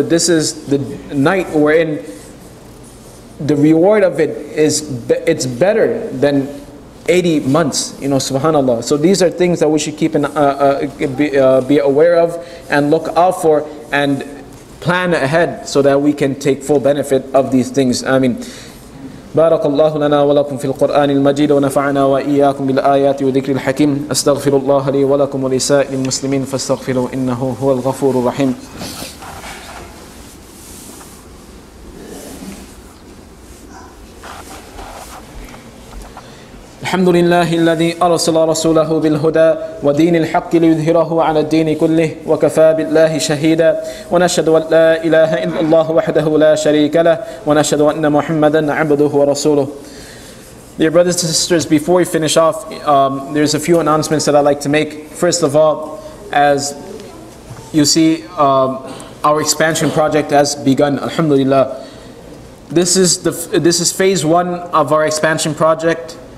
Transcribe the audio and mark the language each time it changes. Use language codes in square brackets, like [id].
[en] This is the night wherein the reward of it is, it's better than 80 months, you know, subhanAllah. So these are things that we should keep be aware of and look out for and plan ahead so that we can take full benefit of these things. Ameen. [ar] بارك الله لنا ولكم في القرآن المجيد ونفعنا وإياكم بالآيات وذكر الحكيم أستغفر الله لي ولكم ولسائر المسلمين فاستغفروا إنه هو الغفور الرحيم. الحمد لله الذي أرسل رسوله بالهدى ودين الحق ليظهره على الدين كله وكفى بالله شهيدا ونشهد أن لا إله إلا الله وحده لا شريك له ونشهد أن محمدا عبده ورسوله. [en] Dear brothers and sisters, before we finish off, there's a few announcements that I'd like to make. First of all, as you see, our expansion project has begun. Alhamdulillah. This is phase one of our expansion project.